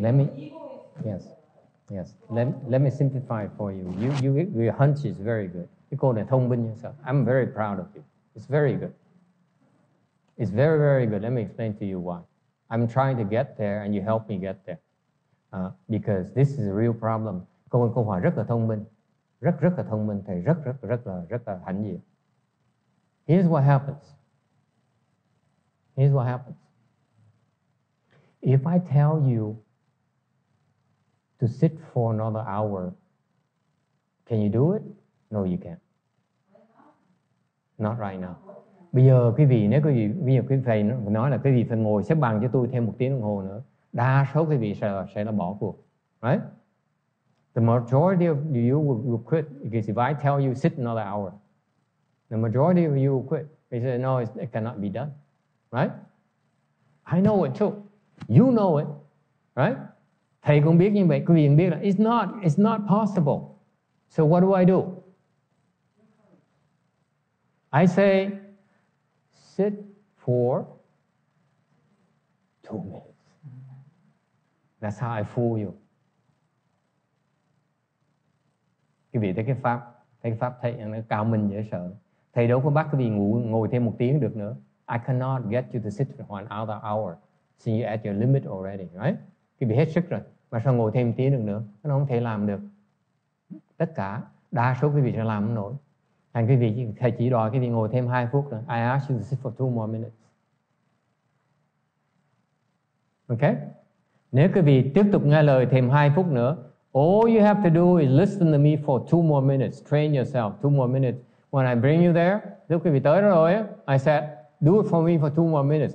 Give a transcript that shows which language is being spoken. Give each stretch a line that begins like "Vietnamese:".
English: Let me. Yes. Yes. Let me simplify for you. Your hunch is very good. You call it thông minh yourself. I'm very proud of you. It's very good. It's very, very good. Let me explain to you why. I'm trying to get there and you help me get there. Because this is a real problem.
Vietnamese: Câu hỏi rất là thông minh. Rất rất là thông minh. Thầy rất rất rất là hãnh diện.
English: Here's what happens. Here's what happens. If I tell you to sit for another hour, can you do it? No, you can't. Not right now.
Vietnamese: Bây giờ quý vị, nếu quý vị, bây giờ quý vị nói là quý vị phải ngồi xếp bằng cho tôi thêm một tiếng đồng hồ nữa, đa số quý vị sẽ là bỏ cuộc.
English: Right? The majority of you will quit because if I tell you sit another hour, the majority of you will quit. They say, no, it cannot be done. Right? I know it too. You know it. Right?
Vietnamese: Thầy cũng biết như vậy, quý vị cũng biết là
English: it's not possible. So what do? I say, sit for 2 minutes. That's how I fool you.
Vietnamese: Quý vị thấy cái pháp, thầy nó cao minh dễ sợ. Thầy đâu có bắt quý vị ngồi thêm một tiếng được nữa.
English: I cannot get you to sit for another hour. So you're at your limit already, right?
Vietnamese: Quý vị hết sức rồi. Mà sao ngồi thêm tí được nữa? Nó không thể làm được. tất cả, đa số quý vị sẽ làm không nổi. Thành quý vị, thầy chỉ đòi quý vị ngồi thêm 2 phút nữa.
English: I ask you to sit for 2 more minutes. Ok?
Vietnamese: Nếu quý vị tiếp tục nghe lời thêm 2 phút nữa,
English: all you have to do is listen to me for 2 more minutes. Train yourself 2 more minutes. When I bring you there,
Vietnamese: lúc quý vị tới rồi,
English: I said, do it for me for 2 more minutes.